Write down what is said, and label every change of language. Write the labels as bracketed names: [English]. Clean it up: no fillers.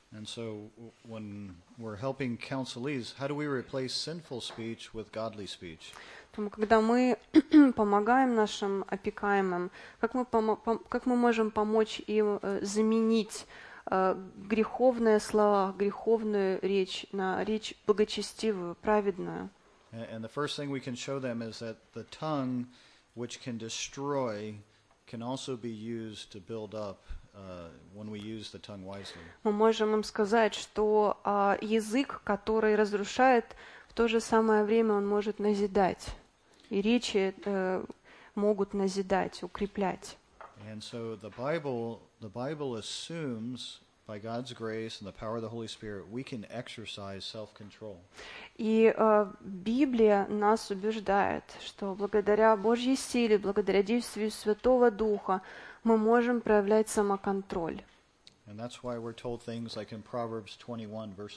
[English] And so when we're helping counselees, how do we replace sinful speech with godly speech? [Russian] Когда мы помогаем нашим опекаемым, как мы можем помочь им заменить греховные слова, греховную речь на речь благочестивую, праведную. [English] And the first thing we can show them is that the tongue, which can destroy, can also be used to build up when we use the tongue wisely. [Russian] Мы можем им сказать, что язык, который разрушает, в то же самое время он может назидать. И речи могут назидать, укреплять. [English] And so the Bible, The Bible assumes by God's grace and the power of the Holy Spirit we can exercise self-control. [Russian] И Библия нас убеждает, что благодаря Божьей силе, благодаря действию Святого Духа, мы можем проявлять самоконтроль. [English] And that's why we're told things like in Proverbs 21, verse